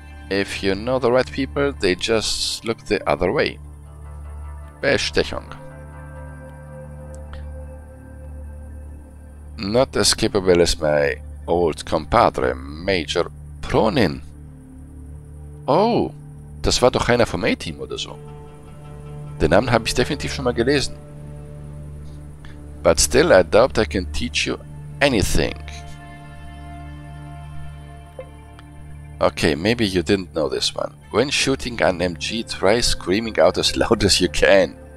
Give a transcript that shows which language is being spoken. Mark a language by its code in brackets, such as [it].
[en] If you know the right people, they just look the other way. [de] Bestechung. [en] Not as capable as my old compadre, Major Pronin. [de] Oh, das war doch einer vom A-Team oder so. Den Namen habe ich definitiv schon mal gelesen. [en] But still, I doubt I can teach you anything. Okay, maybe you didn't know this one. When shooting an MG, try screaming out as loud as you can.